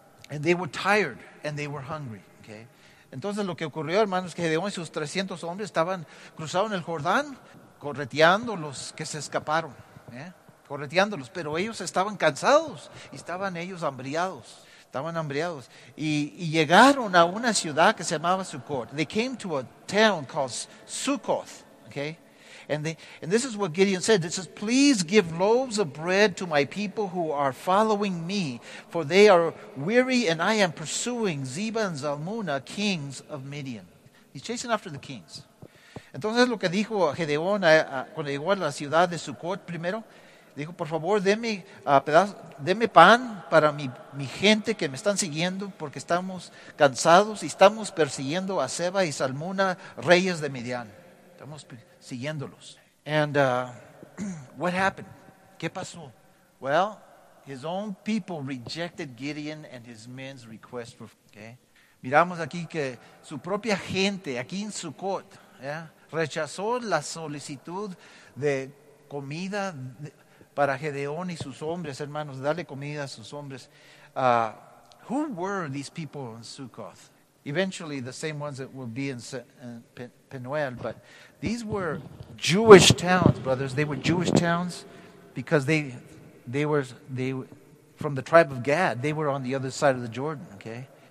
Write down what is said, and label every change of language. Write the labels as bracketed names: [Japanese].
[English] And they were tired and they were hungry. Okay. [Spanish] Entonces lo que ocurrió, hermanos, es que Gedeón y sus 300 hombres estaban cruzando el Jordán, correteando los que se escaparon, correteándolos, pero ellos estaban cansados y estaban ellos hambriados. Estaban hambriados. Y llegaron a una ciudad que se llamaba Succoth. [English] They came to a town called Succoth. Okay? And this is what Gideon said. It says, please give loaves of bread to my people who are following me, for they are weary and I am pursuing Zeba and Zalmunna, kings of Midian. He's chasing after the kings. [Spanish] Entonces lo que dijo Gedeón cuando llegó a la ciudad de Sucot primero, dijo, por favor, deme pan para mi gente que me están siguiendo porque estamos cansados y estamos persiguiendo a Zeba y Zalmunna, reyes de Midian. Estamos siguiéndolos. [English] And what happened? [Spanish] ¿Qué pasó? [English] Well, his own people rejected Gideon and his men's request for... Okay. [Spanish] Miramos aquí que su propia gente, aquí en Sucot, yeah, rechazó la solicitud de comida... para Gedeón y sus hombres, hermanos, darle comida a sus hombres. [English] Who were these people in Sukkoth? Eventually, the same ones that will be in Penuel, but these were Jewish towns, brothers. They were Jewish towns because they were from the tribe of Gad. They were on the other side of the Jordan, okay?